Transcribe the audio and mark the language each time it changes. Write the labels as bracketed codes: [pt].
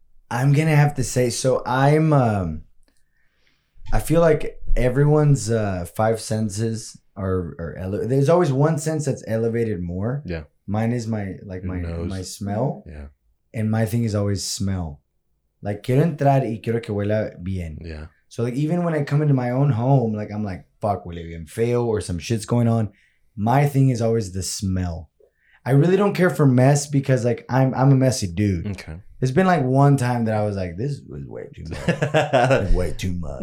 [en] I'm going to have to say, so I feel like everyone's five senses are there's always one sense that's elevated more. Yeah. Mine is my smell. Yeah. And my thing is always smell. [es] Like, quiero entrar y quiero que huela bien. [en] Yeah. So, like, even when I come into my own home, like, I'm like, fuck, [es] huele bien feo [en] or some shit's going on. My thing is always the smell. I really don't care for mess because, like, I'm a messy dude. Okay. It's been, like, one time that I was like, this was way too much. Way too much.